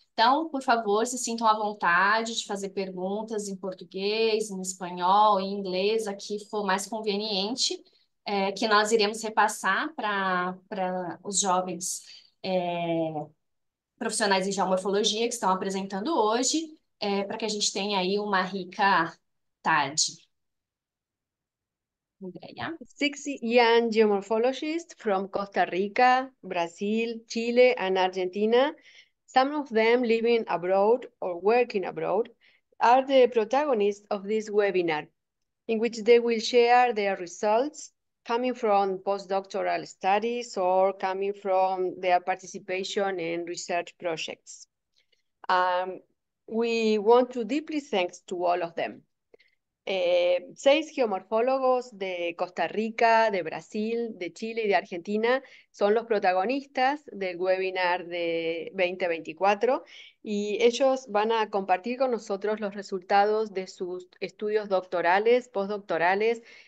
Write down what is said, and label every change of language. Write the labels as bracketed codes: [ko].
[pt] Então, por favor, se sintam à vontade de fazer perguntas em português, em espanhol, em inglês, aqui for mais conveniente, que nós iremos repassar para os jovens profissionais em geomorfologia que estão apresentando hoje, para que a gente tenha aí uma rica tarde. Andréia. [en] Six young geomorphologists from Costa Rica, Brazil, Chile, and Argentina, some of them living abroad or working abroad, are the protagonists of this webinar, in which they will share their results coming from postdoctoral studies or coming from their participation in research projects. We want to deeply thank to all of them. [es] Seis geomorfólogos de Costa Rica, de Brasil, de Chile y de Argentina son los protagonistas del webinar de 2024 y ellos van a compartir con nosotros los resultados de sus estudios doctorales, postdoctorales